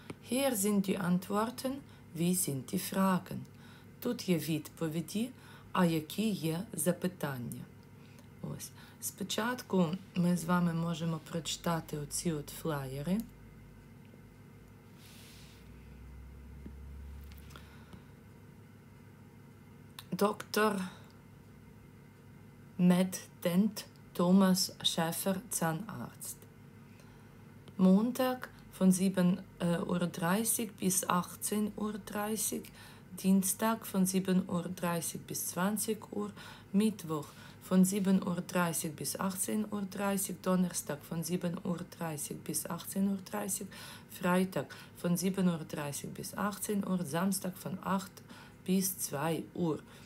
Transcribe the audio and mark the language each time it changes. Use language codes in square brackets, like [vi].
[de] Hier sind die Antworten, wie sind die Fragen? [uk] Тут є відповіді, а які є запитання? Ось. Спочатку ми з вами можемо прочитати оці от флаєри. Доктор Меддент Томас Шефер, Zahnarzt. [de] Montag von 7.30 Uhr bis 18.30 Uhr, Dienstag von 7.30 Uhr bis 20 Uhr, Mittwoch von 7.30 Uhr bis 18.30 Uhr, Donnerstag von 7.30 Uhr bis 18.30 Uhr, Freitag von 7.30 Uhr bis 18 Uhr, Samstag von 8 bis 2 Uhr.